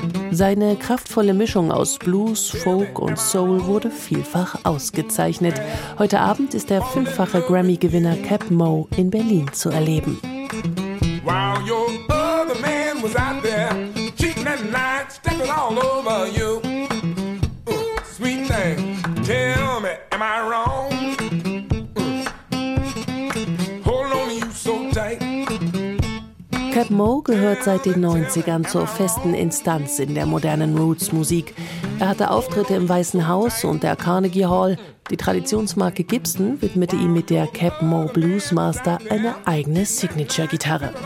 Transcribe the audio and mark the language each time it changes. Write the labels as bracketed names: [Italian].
[German] Seine kraftvolle Mischung aus Blues, Folk und Soul wurde vielfach ausgezeichnet. Heute Abend ist der fünffache Grammy-Gewinner Cap Mo in Berlin zu erleben. [English] While your other man was out there cheating at night, stepping all over you. Sweet thing, tell me, am I wrong? Hold on to you so tight. [German] Cap Mo gehört seit den 90ern zur festen Instanz in der modernen Roots-Musik. Er hatte Auftritte im Weißen Haus und der Carnegie Hall. Die Traditionsmarke Gibson widmete ihm mit der Cap Mo Blues Master eine eigene Signature-Gitarre.